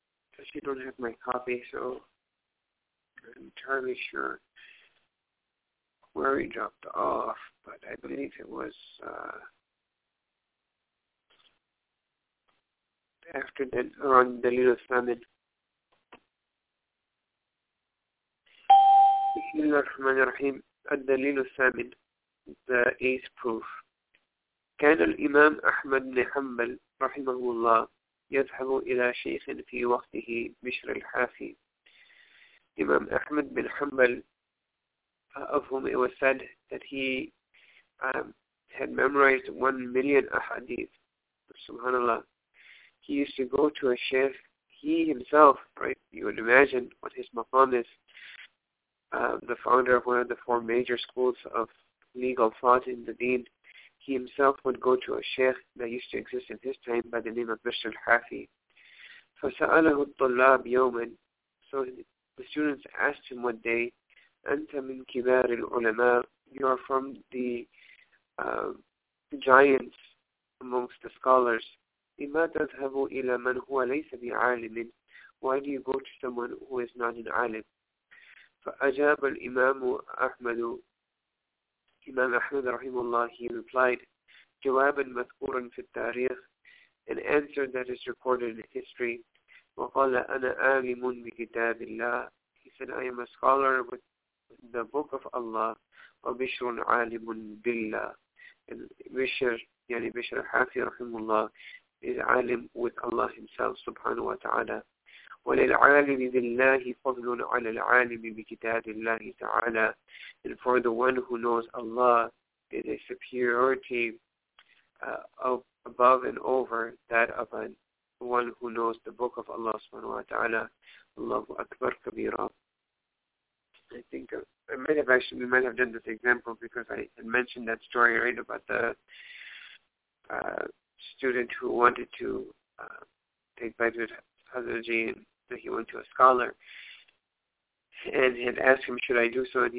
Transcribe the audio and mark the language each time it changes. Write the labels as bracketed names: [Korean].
[English] Because you don't have my copy, so I'm entirely sure where we dropped off, but I believe it was after the around the little famine. [Arabic] بسم الله الرحمن الرحيم. الدليل الثامن, [English] the eighth proof. [Arabic] كان الإمام أحمد بن حنبل رحمه الله يذهب إلى شيخ في وقته بشر الحافي. [English] إمام أحمد بن حنبل, of whom it was said that he had memorized 1,000,000 ahadith, subhanAllah. He used to go to a sheikh, he himself, right, you would imagine what his maqam is, the founder of one of the four major schools of legal thought in the deen, he himself would go to a sheikh that used to exist in his time by the name of Bishr al-Hafi. [Arabic] فَسَأَلَهُ الطُّلَّابُ يَوْمًا. [English] So the students asked him one day, [Arabic] أَنْتَ مِنْ كِبَارِ الْعُلَمَاءِ, [English] you are from the giants amongst the scholars. [Arabic] لِمَا تَذْهَبُ إِلَى مَنْ هُوَ لَيْسَ بِعَالِمٍ, [English] why do you go to someone who is not an alim? [Arabic] فأجاب الإمام أحمد, إمام أحمد رحمه الله, [English] he replied, [Arabic] جوابا مذكورا في التاريخ, [English] an answer that is recorded in history. [Arabic] وقال أنا عالم بكتاب الله, [English] he said, I am a scholar with the book of Allah. [Arabic] وبشر عالم بالله, and بشر, يعني بشر الحافي رحمه الله, is عالم [English] with Allah himself [Arabic] سبحانه وتعالى. وللعالم بالله فضل على العالم بكتاب الله تعالى. [English] And for the one who knows Allah, it is a superiority of above and over that of the one who knows the book of Allah subhanahu wa ta'ala. Allahu Akbar Kabira. I think we might have done this example because I had mentioned that story, right, about the student who wanted to take Badr Hazraji, that he went to a scholar and had asked him, should I do so?